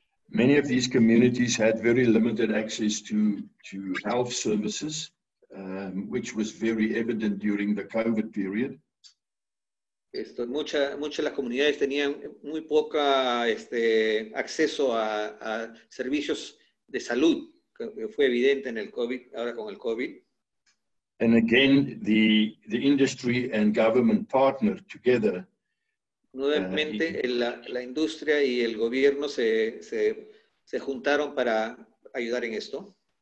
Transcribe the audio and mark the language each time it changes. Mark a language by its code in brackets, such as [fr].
[en] Many of these communities had very limited access to health services, which was very evident during the COVID period. [es] Muchas de las comunidades tenían muy poca acceso a servicios de salud, que fue evidente en el COVID, ahora con el COVID. [en] And again, the industry and government partnered together. [es] Nuevamente, la industria y el gobierno se juntaron para ayudar en esto.